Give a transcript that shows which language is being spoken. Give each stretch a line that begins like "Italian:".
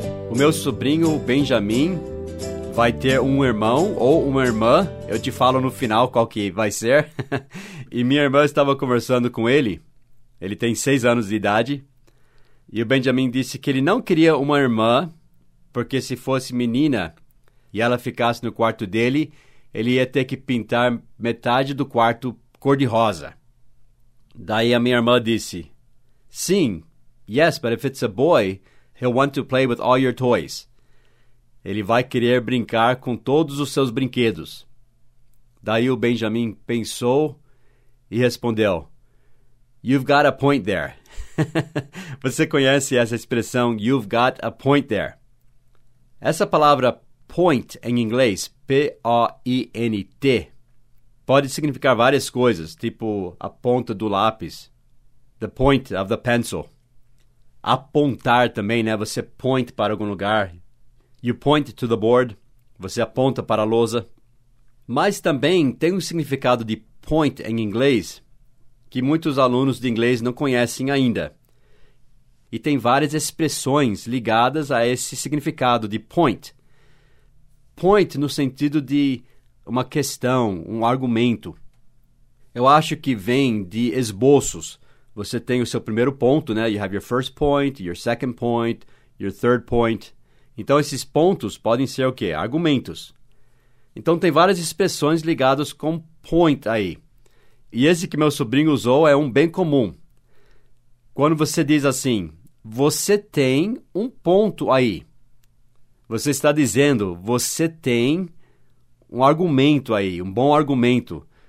Portuguese: O meu sobrinho, Benjamin, vai ter um irmão ou uma irmã, eu te falo no final qual que vai ser, e minha irmã estava conversando com ele, ele tem 6 anos de idade, e o Benjamin disse que ele não queria uma irmã, porque se fosse menina e ela ficasse no quarto dele, ele ia ter que pintar metade do quarto cor-de-rosa. Daí a minha irmã disse, sim,
English: yes, but if it's a boy, he'll want to play with all your toys.
Portuguese: Ele vai querer brincar com todos os seus brinquedos. Daí o Benjamin pensou e respondeu,
English: you've got a point there.
Portuguese: Você conhece essa expressão,
English: you've got a point there.
Portuguese: Essa palavra point em inglês, P-O-I-N-T, pode significar várias coisas, tipo a ponta do lápis,
English: the point of the pencil.
Portuguese: Apontar também, né? Você point para algum lugar.
English: You point to the board.
Portuguese: Você aponta para a lousa. Mas também tem um significado de point em inglês que muitos alunos de inglês não conhecem ainda. E tem várias expressões ligadas a esse significado de point. Point no sentido de uma questão, um argumento. Eu acho que vem de esboços. Você tem o seu primeiro ponto, né?
English: You have your first point, your second point, your third point.
Portuguese: Então, esses pontos podem ser o quê? Argumentos. Então, tem várias expressões ligadas com point aí. E esse que meu sobrinho usou é um bem comum. Quando você diz assim, você tem um ponto aí. Você está dizendo, você tem um argumento aí, um bom argumento.